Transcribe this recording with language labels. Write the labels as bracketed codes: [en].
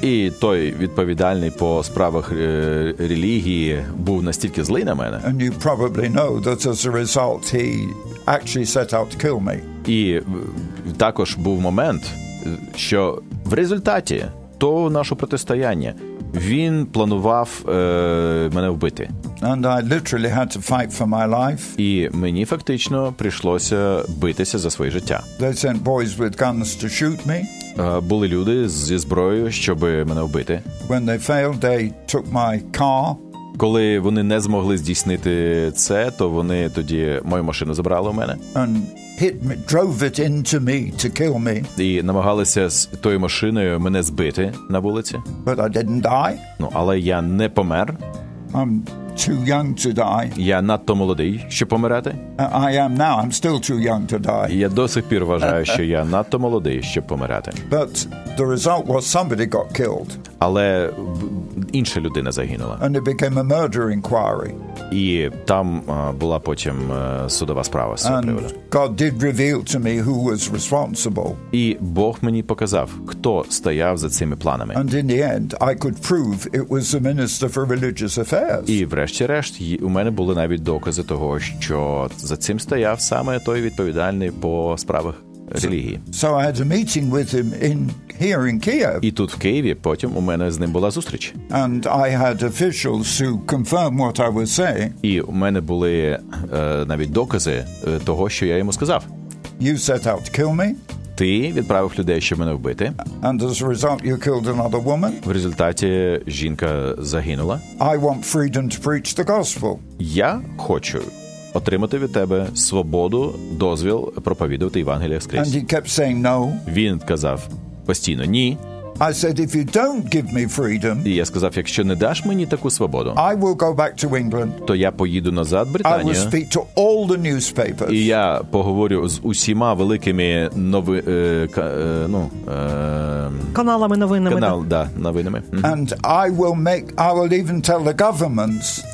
[uk] І той відповідальний по справах релігії був настільки злий на мене. [en] And you probably know that as a result he actually set out to kill me. [uk] І також був момент, що в результаті того нашого протистояння він планував мене вбити. [en] And I literally had to fight for my life. [uk] І мені фактично прийшлося битися за своє життя. [en] They sent boys with guns to shoot me. [uk] Були люди зі зброєю, щоб мене вбити. [en] When they failed, they took my car. [uk] Коли вони не змогли здійснити це, то вони тоді мою машину забрали у мене. [en] And hit me, drove it into me to kill me. [uk] І намагалися з тою машиною мене збити на вулиці. [en] But I didn't die. [uk] Ну, але я не помер. [en] I'm too young to die. [uk] Я надто молодий, щоб помирати. [en] I am now, I'm still too young to die. [uk] Я до сих пір вважаю, що я надто молодий, щоб помирати. [en] But the result was somebody got killed. [uk] Але інша людина загинула. [en] And it became a murder inquiry. [uk] І там була потім судова справа з цього приводу. [en] God did reveal to me who was responsible. [uk] І Бог мені показав, хто стояв за цими планами. [en] And in the end, I could prove it was the minister for religious affairs. [uk] І врешті-решт у мене були навіть докази того, що за цим стояв саме той відповідальний по справах релігії. [en] So I had a meeting with him in here in Kiev. [uk] І тут в Києві потім у мене з ним була зустріч. [en] And I had officials to confirm what I was saying. [uk] І у мене були навіть докази того, що я йому сказав. [en] You set out to kill me. [uk] Ти відправив людей, щоб мене вбити. [en] And as a result, you killed another woman. [uk] В результаті жінка загинула. [en] I want freedom to preach the gospel. [uk] Я хочу отримати від тебе свободу, дозвіл проповідувати Євангелія Христа. [en] And he kept saying no. [uk] Він казав постійно ні. [en] I said, if you don't give me freedom, [uk] і я сказав, якщо не даш мені таку свободу, [en] I will go back to England. [uk] То я поїду назад в Британію. [en] I will speak to all the newspapers. [uk] І я поговорю з усіма великими каналами новинами. Канал, да, новинами. [en] And I will even tell the governments.